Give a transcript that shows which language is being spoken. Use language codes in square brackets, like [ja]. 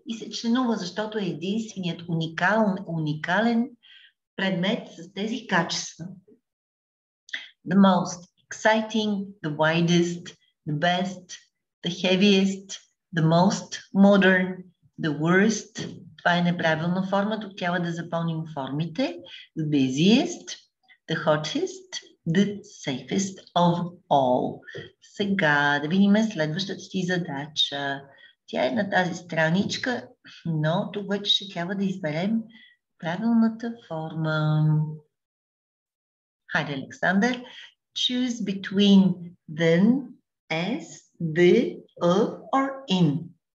[bg] И се членува, защото е единственият уникален предмет с тези качества. [en] The most exciting, the widest, the best, the heaviest, the most modern, the worst. [bg] Това е неправилна форма, тук трябва да запълним формите. [en] The busiest, the hottest, the safest of all. [bg] Сега да видим следващата ти задача. Тя е на тази страничка, но тук вече ще трябва да изберем правилната форма. Хайде, Александър. [en] Choose between then, as, the, of or in.